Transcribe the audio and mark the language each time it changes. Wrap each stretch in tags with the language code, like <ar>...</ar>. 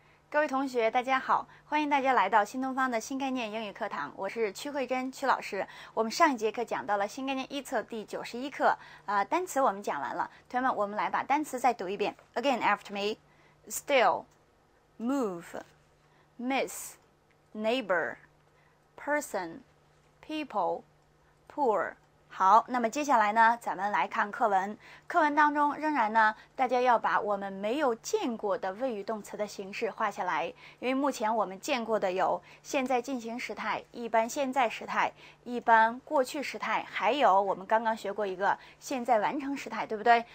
<zh>各位同学，大家好，欢迎大家来到新东方的新概念英语课堂，我是曲慧珍，曲老师。我们上一节课讲到了新概念一册第91课，单词我们讲完了，同学们，我们来把单词再读一遍。</zh> <en>Again after me, still, move, miss, neighbor, person, people, poor.</en> <zh>好，那么接下来呢，咱们来看课文。课文当中仍然呢，大家要把我们没有见过的谓语动词的形式画下来，因为目前我们见过的有现在进行时态、一般现在时态、一般过去时态，还有我们刚刚学过一个现在完成时态，对不对？</zh>